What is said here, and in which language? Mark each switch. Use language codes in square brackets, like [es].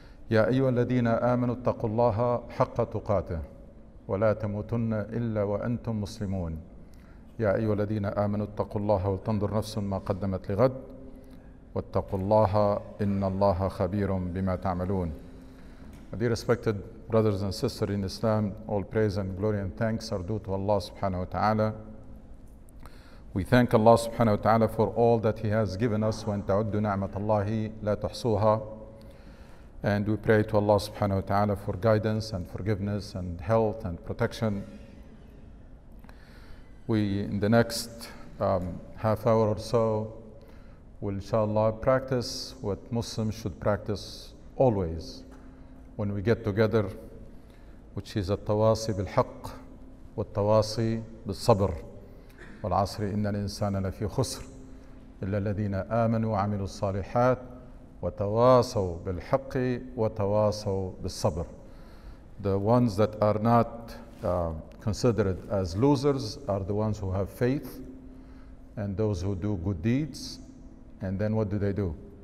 [ar] يا أيها الذين آمنوا اتقوا الله حق تقاته ولا تموتن إلا وأنتم مسلمون. يا أيها الذين آمنوا اتقوا الله ولتنظر نفس ما قدمت لغد، واتقوا الله إن الله خبير بما تعملون. [en] Dear respected brothers and sisters in Islam, all praise and glory and thanks are due to Allah subhanahu wa ta'ala. We thank Allah subhanahu wa ta'ala for all that He has given us. [ar] وَإِنْ تَعُدُّ نَعْمَةَ اللَّهِ لَا تُحْصُوهَا. [en] And we pray to Allah subhanahu wa ta'ala for guidance and forgiveness and health and protection. In the next half hour or so, we'll inshallah practice what Muslims should practice always when we get together, which is [ar] التواصي بالحق والتواصي بالصبر. والعصر إن الإنسان لفي خسر إلا الذين آمنوا وعملوا الصالحات وتواصوا بالحق وتواصوا بالصبر. [en] The ones that are not considered as losers are the ones who have faith and those who do good deeds. And then what do?